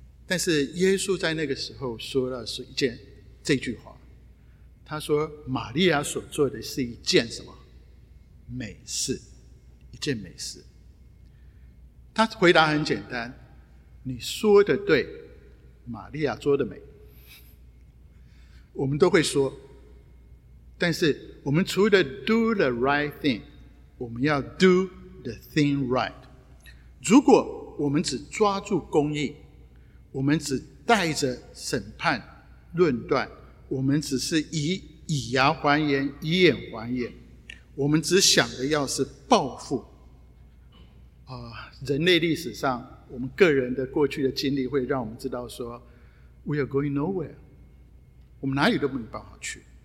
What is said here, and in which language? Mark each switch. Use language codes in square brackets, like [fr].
[zh] 但是耶稣在那个时候说了是一件这句话，他说玛利亚所做的是一件什么美事，一件美事。他回答很简单，你说的对，玛利亚做的美，我们都会说。但是我们除了 [en] do the right thing， [zh] 我们要 [en] do the thing right。 [zh] 如果我们只抓住公义，我们只带着审判论断，我们只是以牙还眼，以眼还眼，我们只想的要是报复，人类历史上我们个人的过去的经历会让我们知道说 [en] We are going nowhere， [zh] 我们哪里都没办法去。